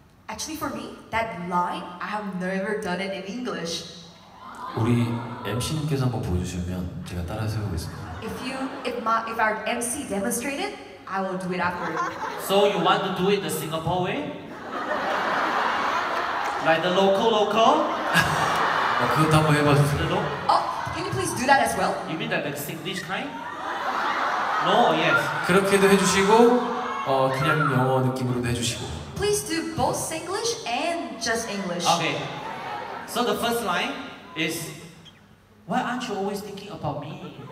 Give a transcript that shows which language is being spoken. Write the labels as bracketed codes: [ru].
[en] Actually, for me, that line I have never done it in English. [ko] 우리 MC님께서 한번 보여주시면 제가 따라서 해보겠습니다. [en] If our MC demonstrated, I will do it after. So you want to do it the Singapore way? Like the local? [ko] 그것도 한번 해봐주세요. [en] Can you please do that as well? You mean that the Singlish kind? No or yes? [ko] 그렇게도 해주시고 그냥 영어 느낌으로도 해주시고. [en] Please do both Singlish and just English. Okay. So the first line is, why aren't you always thinking about me?